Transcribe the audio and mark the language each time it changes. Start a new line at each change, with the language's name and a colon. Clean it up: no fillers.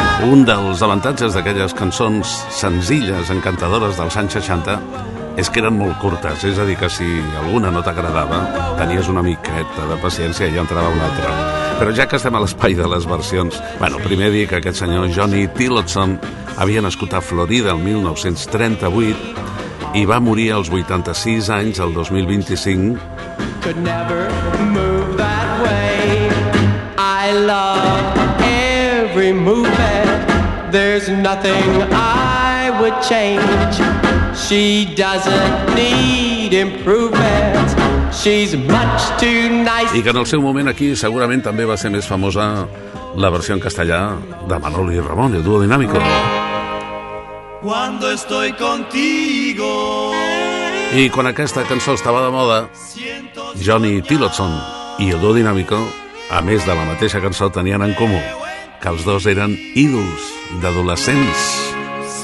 Catalan: Un dels avantatges d'aquelles cançons senzilles, encantadores dels anys 60, és que eren molt curtes, és a dir, que si alguna no t'agradava, tenies una miqueta de paciència i ja entrava una altra. Però ja que estem a l'espai de les versions, bueno, primer dic que aquest senyor Johnny Tillotson havia nascut a Florida el 1938 i va morir als 86 anys, el 2025.
English: Could never move that way. I love every movement. There's nothing I would change. She doesn't need improvement. She's much too nice.
Catalan: I que en el seu moment aquí segurament també va ser més famosa la versió en castellà de Manolo i Ramón, el Dúo Dinámico.
Spanish: Cuando estoy contigo.
Catalan: I quan aquesta cançó estava de moda, Johnny Tillotson i el Dúo Dinámico, a més de la mateixa cançó, tenien en comú que els dos eren ídols d'adolescents.